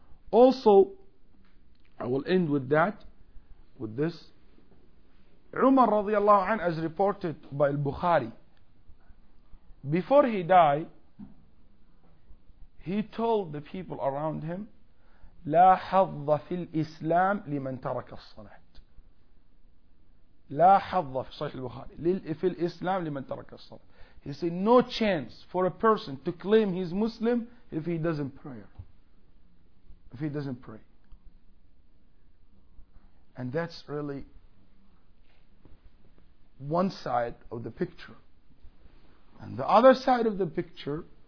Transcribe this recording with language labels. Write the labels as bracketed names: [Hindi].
[English] Also, I will end with that, with this. Umar radiallahu anhu, as reported by al-Bukhari, before he died, he told the people around him, [Arabic] لا حظ في الإسلام لمن ترك الصلاة. لا حظ في صحيح البخاري في الإسلام لمن ترك الصلاة. [English] He said, no chance for a person to claim he's Muslim if he doesn't pray. If he doesn't pray. And that's really one side of the picture. And the other side of the picture